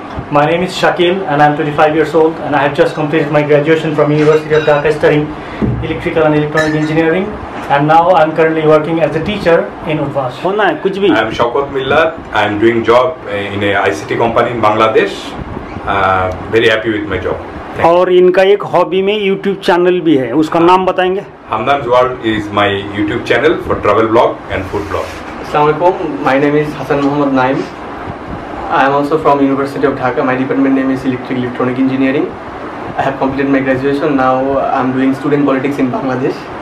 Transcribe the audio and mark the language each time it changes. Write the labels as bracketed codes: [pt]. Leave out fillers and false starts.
[en] My name is Shakil and I'm 25 years old and I have just completed my graduation from University of Dhaka studying Electrical and Electronic Engineering and now I'm currently working as a teacher in Udvash. I'm Shaukat Millar. I'm doing job in a ICT company in Bangladesh. Very happy with my job. [hi] और इनका एक hobby में YouTube channel भी है उसका नाम बताएंगे [en] Hamdan's World is my YouTube channel for travel blog and food blog. Assalamualaikum. My name is Hasan Muhammad Naim. I am also from University of Dhaka. My department name is Electrical Electronic Engineering. I have completed my graduation. Now I am doing student politics in Bangladesh.